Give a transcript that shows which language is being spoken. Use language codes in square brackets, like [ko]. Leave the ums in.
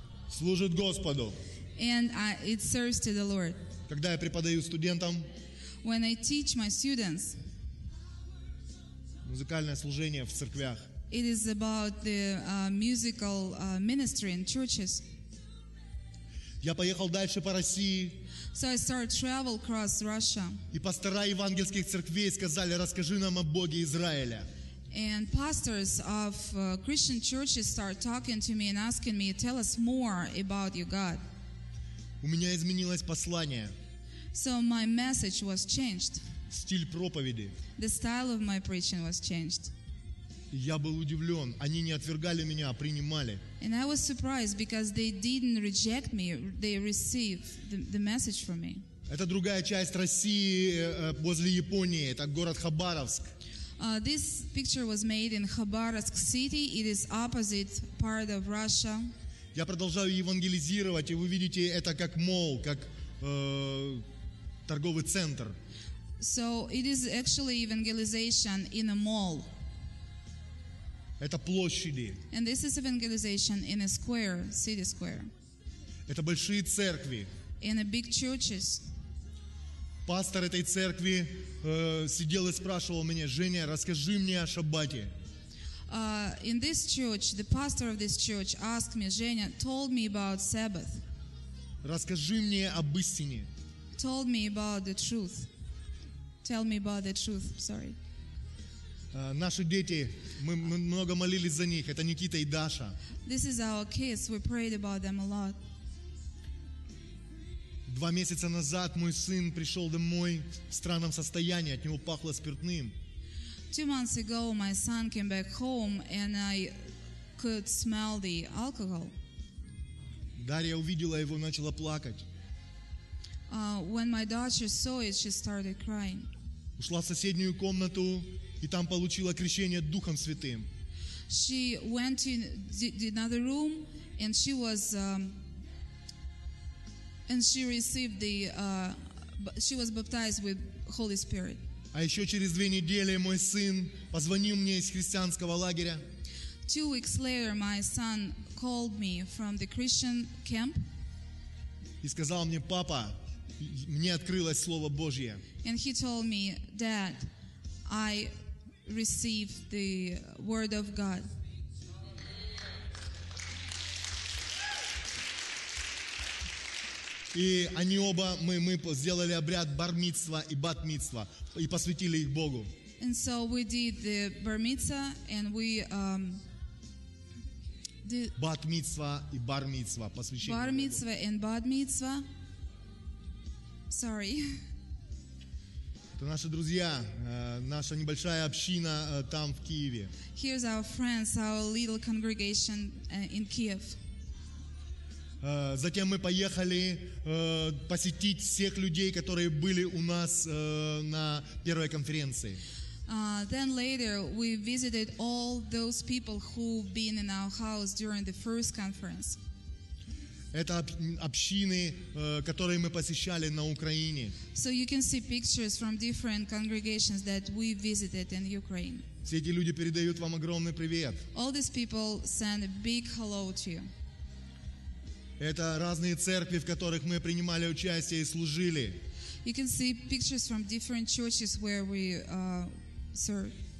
[ru] Служит Господу. [en] And I, it serves to the Lord. [ru] Когда я преподаю студентам, [en] when I teach my students. [ru] Музыкальное служение в церквях. [en] It is about the uh, musical uh, ministry in churches. [ru] Я поехал дальше по России. [en] So I started travel across Russia. [ru] И пастора евангельских церквей сказали, расскажи нам о Боге Израиля. [en] And pastors of uh, Christian churches start talking to me and asking me, tell us more about your God. [ru] У меня изменилось послание. [en] So my message was changed. [ru] Стиль проповеди. [en] The style of my preaching was changed. [ru] Я был удивлен. Они не отвергали меня, а принимали. [en] And I was surprised because they didn't reject me. They received the, the message from me. [ru] Это другая часть России возле Японии. Это город Хабаровск. [en] Uh, this picture was made in Khabarovsk city. It is opposite part of Russia. [ru] Я продолжаю евангелизировать, и вы видите это как мол, как э, торговый центр. [en] So it is actually evangelization in a mall. [ru] Это площади. [en] And this is evangelization in a square, city square. [ru] Это большие церкви. [en] In a big churches. [ru] Пастор этой церкви э, сидел и спрашивал меня, Женя, расскажи мне о Шаббате. [en] Uh, in this church, the pastor of this church asked me, Женя, told me about Sabbath. [ru] Расскажи мне об истине [en] told me about the truth. Tell me about the truth. Sorry. [ru] Uh, наши дети, мы, мы, много молились за них. Это Никита и Даша. [en] This is our kids. We prayed about them a lot. [ru] Два месяца назад мой сын пришел домой в странном состоянии. От него пахло спиртным. [en] Two months ago my son came back home and I could smell the alcohol. [ru] Дарья увидела его, и начала плакать. [en] when my daughter saw it, she started crying. She went in another room and she was um, and she received the uh, she was baptized with Holy Spirit. Two weeks later, my son called me from the Christian camp. [ru] И сказал мне, папа, мне открылось Слово Божье. [en] And he told me that I received the Word of God. [ru] И они оба, мы, мы сделали обряд бармитства и батмитства и посвятили их Богу. [en] And so we did the bar and we um, [ru] Бат митцва и бар митцва, посвящение. Бар митцва [en] и Sorry. [ru] Это наши друзья, наша небольшая община там, в Киеве. [en] Here's our friends, our little congregation in Kiev. [ru] Затем мы поехали посетить всех людей, которые были у нас на первой конференции. [en] Uh, then later we visited all those people who've been in our house during the first conference [ru] это общины, которые мы посещали на Украине. [en] So you can see pictures from different congregations that we visited in Ukraine. [ru] Все эти люди передают вам огромный привет. [en] All these people send a big hello to you. [ru] Это разные церкви, в которых мы принимали участие и служили. [en] You can see pictures from different churches where we uh, serve